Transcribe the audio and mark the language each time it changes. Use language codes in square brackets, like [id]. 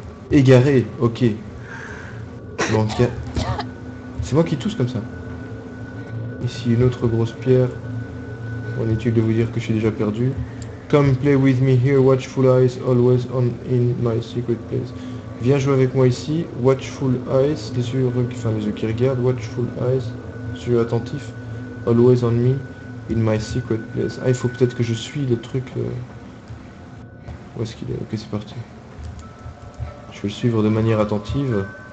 [fr] Égaré, ok. Bon, tiens. C'est moi qui tousse comme ça. Ici, une autre grosse pierre. En est-il de vous dire que je suis déjà perdu? [en] Come play with me here, watchful eyes, always on in my secret place. [fr] Viens jouer avec moi ici, [en] watchful eyes, [fr] les yeux qui regardent, watchful eyes, yeux attentifs, [en] always on me, in my secret place. [fr] Ah, il faut peut-être que je suis le truc. Où est-ce qu'il est? Ok, c'est parti. Je vais le suivre de manière attentive.